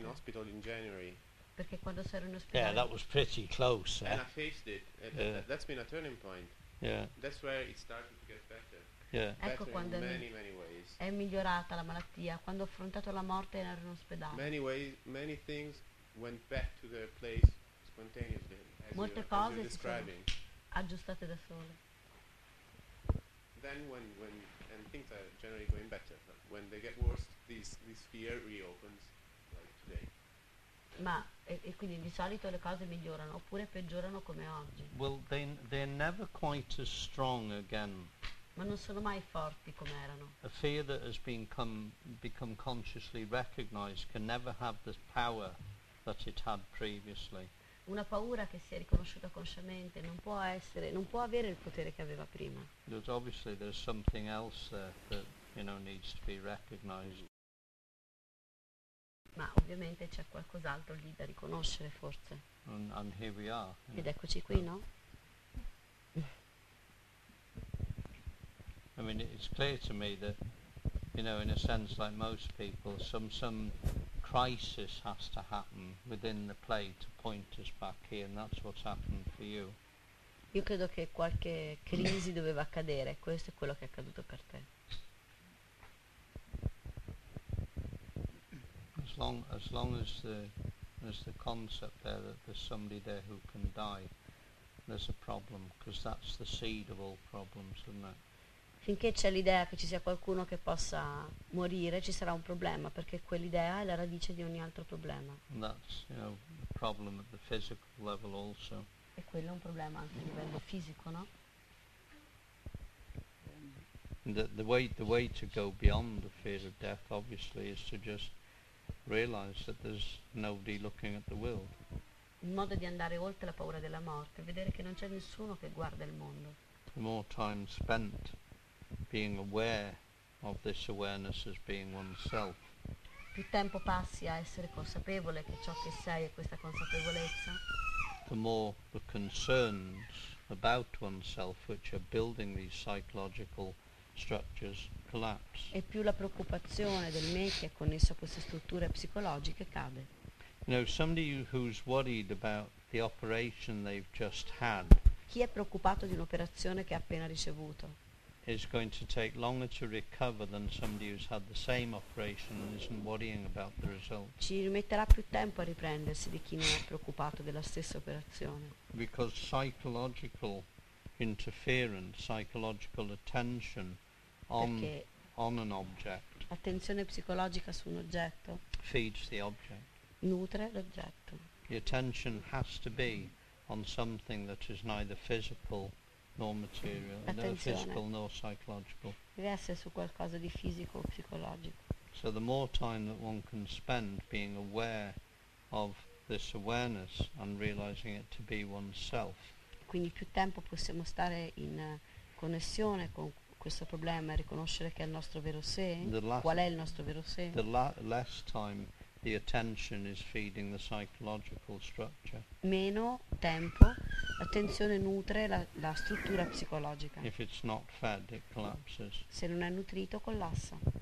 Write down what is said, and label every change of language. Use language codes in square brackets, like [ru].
[en] Up in hospital in January, [it] perché quando sono in ospedale. [en] Yeah, that was pretty close. And I faced it. That's been a turning point. Yeah. That's where it started to get better. Yeah. [it] Ecco quando è migliorata la malattia, quando ho affrontato la morte e ero in ospedale. [en] Many things went back to their place spontaneously. [it] Molte cose si sono aggiustate da sole. [en] Then when and things are generally going better, but when they get worse, this fear reopens like today. [it] Ma e quindi di solito le cose migliorano oppure peggiorano come oggi. [en] Well, they're never quite as strong again. [it] Ma non sono mai forti come erano. [en] A fear that has become consciously recognized can never have the power that it had previously. [it] una paura che si è riconosciuta consciamente non può essere, non può avere il potere che aveva prima. [en] There's obviously there's something else that you know needs to be recognized. [it] Ma ovviamente c'è qualcos'altro lì da riconoscere forse. [en] And here we are. [it] Ed eccoci qui, no? [en] I mean, it's clear to me that, you know, in a sense, like most people, some crisis has to happen within the play to point us back here, and that's what's happened for you. [it] Io credo che qualche crisi doveva accadere, questo è quello che è accaduto per te. [en] As long as the concept there that there's somebody there who can die, there's a problem, because that's the seed of all problems, isn't it? [it] Finché c'è l'idea che ci sia qualcuno che possa morire, ci sarà un problema, perché quell'idea è la radice di ogni altro problema. [en] And that's, you know, a problem at the physical level also. [it] E quello è un problema anche a livello fisico, no? [en] The way to go beyond the fear of death, obviously, is to just realize that there's nobody looking at the world. [it] Il modo di andare oltre la paura della morte, vedere che non c'è nessuno che guarda il mondo. [en] The more time spent being aware of this awareness as being oneself. [it] Più tempo passi a essere consapevole che ciò che sei è questa consapevolezza. [en] The more the concerns about oneself, which are building these psychological structures, collapse. [it] E più la preoccupazione del me che è connesso a queste strutture psicologiche cade. [en] You know, somebody who's worried about the operation they've just had. [it] Chi è preoccupato di un'operazione che ha appena ricevuto? [en] Is going to take longer to recover than somebody who's had the same operation and isn't worrying about the result. [it] Ci rimetterà più tempo a riprendersi di chi non è preoccupato della stessa operazione. [en] Because psychological interference, psychological attention on an object. [it] Attenzione psicologica su un oggetto. [en] Feeds the object. [it] Nutre l'oggetto. [en] The attention has to be on something that is neither physical nor material, neither physical nor psychological. [it] Deve essere su qualcosa di fisico o psicologico. [en] So the more time that one can spend being aware of this awareness and realizing it to be oneself. [it] Quindi più tempo possiamo stare in connessione con questo problema e riconoscere che è il nostro vero sé. Qual è il nostro vero sé? [en] Less time the attention is feeding the psychological structure. [it] Meno tempo l'attenzione nutre la struttura psicologica. [en] If it's not fed, it collapses. [it] Se non è nutrito, collassa.